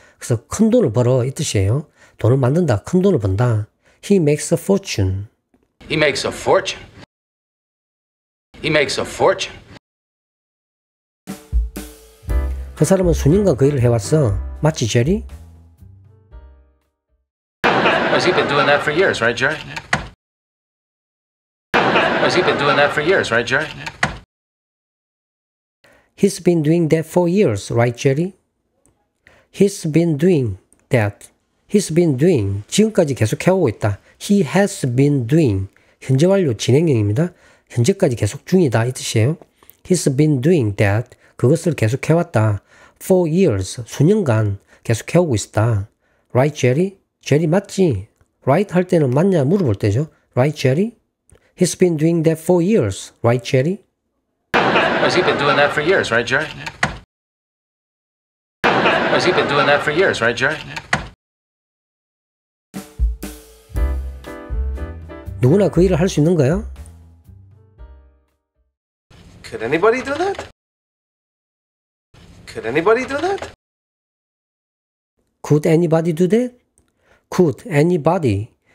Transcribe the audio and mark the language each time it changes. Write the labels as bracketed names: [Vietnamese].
[Korean] 그래서 큰 돈을 벌어 이 뜻이에요. 돈을 만든다. 큰 돈을 번다. [English] He makes a fortune. He makes a fortune. He makes a fortune. [Korean] 그 사람은 수년간 그 일을 해왔어. 맞지, 제리? [English] Has he been doing that for years, right, Jerry? Has he been doing that for years, right, Jerry? He's been doing that for years, right, Jerry? He's been doing that. He's been doing. [Korean] 지금까지 계속 해오고 있다. [English] He has been doing. [Korean] 현재 완료 진행형입니다. 현재까지 계속 중이다 이 뜻이에요. [English] He's been doing that. [Korean] 그것을 계속 해왔다. [English] For years, 수년간 계속 해오고 있었다. Right, Jerry? Jerry 맞지? Right [Korean] 할 때는 맞냐 물어볼 때죠. [English] Right, Jerry? He's been doing that for years. Right, Jerry? Has he been doing that for years, right, Jerry? Yeah. Has he been doing that for years, right, Jerry? Yeah. [Korean] 누구나 그 일을 할 수 있는 거야? [English] Could anybody do that? Could anybody do that? Could anybody do that? Could anybody?